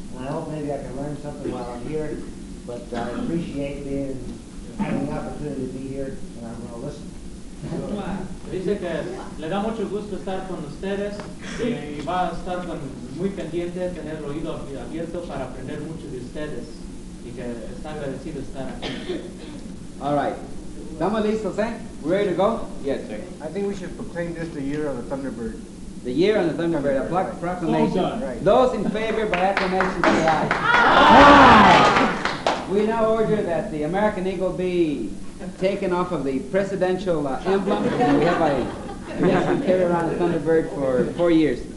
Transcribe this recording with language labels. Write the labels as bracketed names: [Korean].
[English] I hope maybe I can learn something while I'm here, but I appreciate being, having the opportunity to be here, and I'm going to listen. [Spanish] Dice que le da mucho gusto estar con ustedes y va a estar con, muy pendiente de tener el oído abierto para aprender mucho de ustedes y que está agradecido estar aquí. [English] All right. [Spanish] ¿Estamos listos, eh? [English] Ready to go? Yes, sir. I think we should proclaim this the year of the Thunderbird. The year of the Thunderbird, a proclamation. Oh, right. Those in favor by acclamation say aye. We now order that the American Eagle be taken off of the presidential emblem, and we have a carry around the Thunderbird for 4 years.